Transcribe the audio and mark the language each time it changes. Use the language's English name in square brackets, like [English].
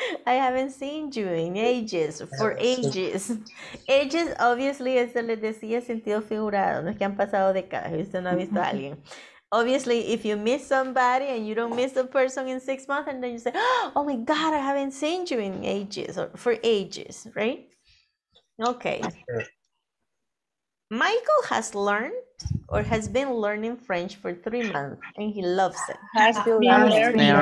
[English] I haven't seen you in ages, for ages. Ages, obviously, [Spanish] eso les decía sentido figurado, no es que han pasado décadas, usted no ha visto a alguien. [English] Obviously, if you miss somebody and you don't miss the person in 6 months, and then you say, oh my God, I haven't seen you in ages, or for ages, right? Okay. Michael has learned or has been learning French for 3 months, and he loves it.